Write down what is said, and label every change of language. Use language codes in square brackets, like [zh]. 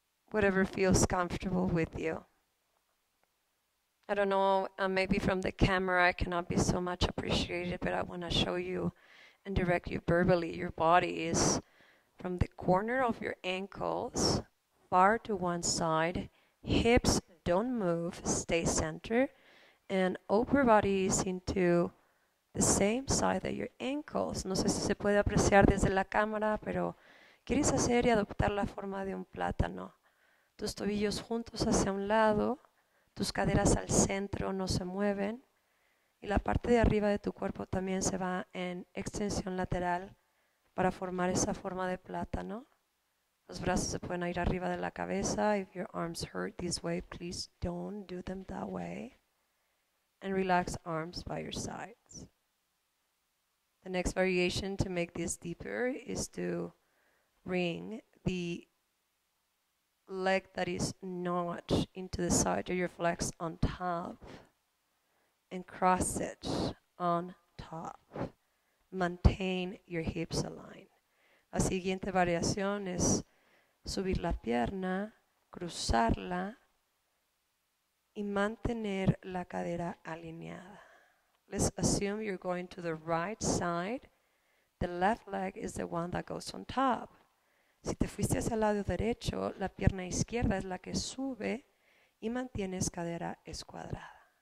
[en] Whatever feels comfortable with you. I don't know, maybe from the camera I cannot be so much appreciated, but I want to show you and direct you verbally. Your body is from the corner of your ankles, far to one side, hips don't move, stay center, and upper body is into the same side that your ankles. [es] No sé si se puede apreciar desde la cámara, pero ¿quieres hacer y adoptar la forma de un plátano? Tus tobillos juntos hacia un lado, tus caderas al centro no se mueven, y la parte de arriba de tu cuerpo también se va en extensión lateral para formar esa forma de plátano. Los brazos se pueden ir arriba de la cabeza. [en] If your arms hurt this way, please don't do them that way. And relax arms by your sides. The next variation to make this deeper is to bring the leg that is not into the side of your flex on top, and cross it on top. Maintain your hips aligned. [es] La siguiente variación es subir la pierna, cruzarla y mantener la cadera alineada. [en] Let's assume you're going to the right side. The left leg is the one that goes on top. [es] Si te fuiste hacia el lado derecho, la pierna izquierda es la que sube y mantienes cadera escuadrada.